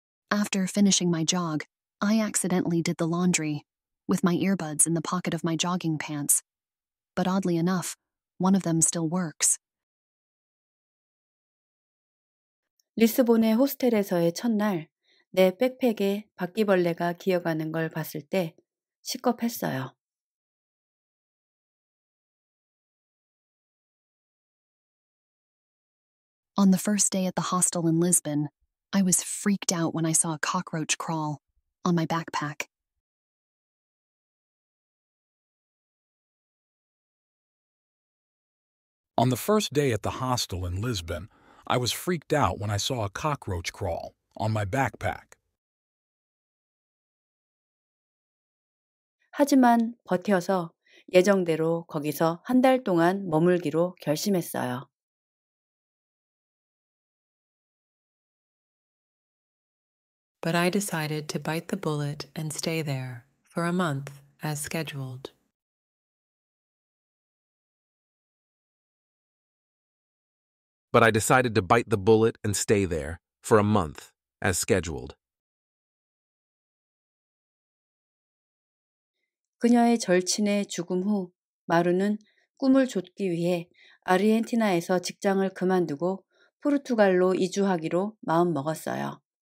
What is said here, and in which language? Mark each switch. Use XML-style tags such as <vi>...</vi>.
<en>After finishing my jog, I accidentally did the laundry with my earbuds in the pocket of my jogging pants. But oddly enough, one of them still works.</en> <ko>리스본의 호스텔에서의 첫날, 내 백팩에 바퀴벌레가 기어가는 걸 봤을 때 식겁했어요.</ko> <en>On the first day at the hostel in Lisbon, I was freaked out when I saw a cockroach crawl on my backpack. On the first day at the hostel in Lisbon, I was freaked out when I saw a cockroach crawl on my backpack.</en> <ko>하지만 버텨서 예정대로 거기서 한 달 동안 머물기로 결심했어요.</ko> <en>But I decided to bite the bullet and stay there for a month as scheduled. But I decided to bite the bullet and stay there for a month as scheduled.</en> <ko>그녀의 절친의 죽음 후 마루는 꿈을 좇기 위해 아르헨티나에서 직장을 그만두고 포르투갈로 이주하기로 마음먹었어요.</ko>